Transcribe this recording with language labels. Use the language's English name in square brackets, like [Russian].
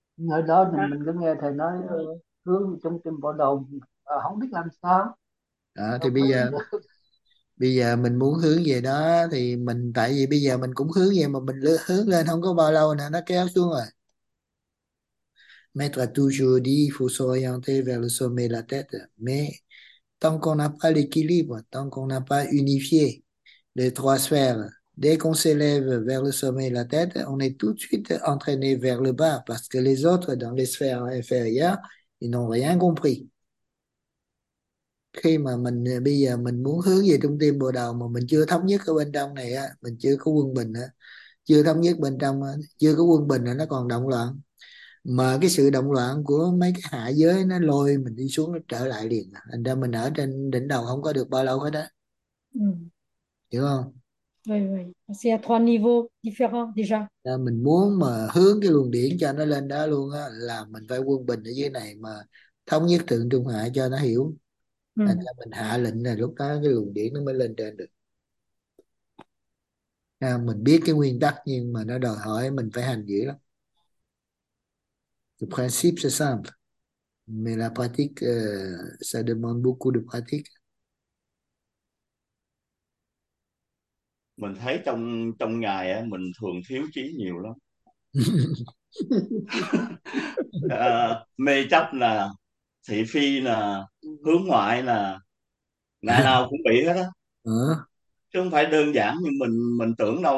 [Vietnamese] Ở đó thì mình cứ nghe thầy nói hướng trong tim bộ đầu không biết làm sao Đó, thì không có đi được. bây giờ mình muốn hướng về đó, thì mình tại vì bây giờ mình cũng hướng về mà mình hướng lên không có bao lâu nè, nó kéo xuống rồi. [French] Mettre toujours dit faut s'orienter vers le sommet de la tête, mais tant qu'on n'a pas l'équilibre, tant qu'on n'a pas unifié les trois sphères, dès qu'on s'élève vers le sommet de la tête, on est tout de suite entraîné vers le bas parce que les autres dans les sphères inférieures, ils n'ont rien compris. [Vietnamese] Khi mà mình bây giờ mình muốn hướng về trung tâm bồ đầu mà mình chưa thống nhất ở bên trong này á, mình chưa có quân bình á, chưa thống nhất bên trong á, chưa có quân bình là nó còn động loạn. mà cái sự động loạn của mấy cái hạ giới nó lôi mình đi xuống, nó trở lại liền, thành ra mình ở trên đỉnh đầu không có được bao lâu hết đó, hiểu không? [French] C'est à trois niveaux différents déjà. [Vietnamese] Là mình muốn mà hướng cái luồng điển cho nó lên đó luôn á, là mình phải quân bình ở dưới này mà thống nhất thượng trung hạ cho nó hiểu, thành ra mình hạ lệnh là lúc đó cái luồng điển nó mới lên trên được. À, mình biết cái nguyên tắc nhưng mà nó đòi hỏi mình phải hành dữ lắm. [French] Le principe c'est simple, mais la pratique ça demande beaucoup de pratique. [Vietnamese] Mình thấy trong trong ngày á, mình thường thiếu trí nhiều lắm. Mê chấp là thị phi là hướng ngoại là ngày nào cũng bị hết á, chứ không phải đơn giản như mình tưởng đâu.